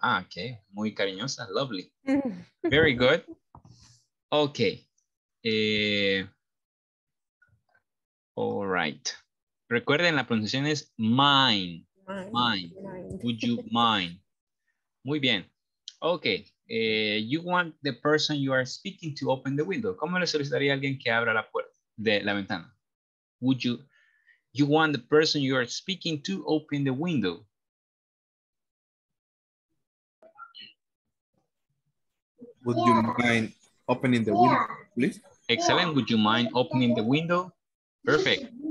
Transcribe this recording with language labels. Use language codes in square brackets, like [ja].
[en] Ah, okay. [es] Muy cariñosa. [en] Lovely. Very good. Okay. All right. [es] Recuerden, la pronunciación es mine. [en] Mine. Would you mind? [es] Muy bien. [en] Okay. You want the person you are speaking to open the window. [es] ¿Cómo le solicitaría a alguien que abra la puerta de la ventana? [en] Would you? You want the person you are speaking to open the window. Would you mind opening the window, please? Excellent. Would you mind opening the window? Perfect.